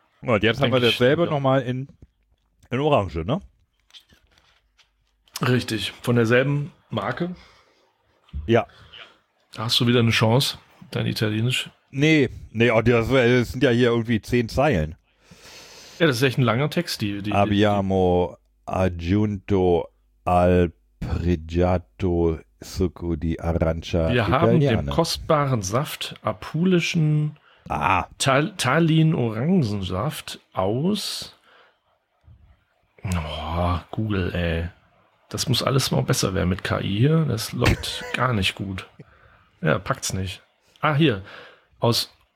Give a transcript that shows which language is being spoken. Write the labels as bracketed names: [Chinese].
[German] Und jetzt haben wir dasselbe nochmal in Orange, ne? Richtig, von derselben Marke. Ja. Hast du wieder eine Chance, dein Italienisch? Nee, das sind ja hier irgendwie 10 Zeilen. Ja, das ist echt ein langer Text. [Italian] Abbiamo aggiunto al pregiato succo di arancia italiana. [German] Wir haben dem kostbaren Saft apulischen Tallin-Orangensaft aus. Oh, Google, ey. Das muss alles mal besser werden mit KI hier. Das läuft gar nicht gut. Ja, packt's nicht. Ah, hier. Aus.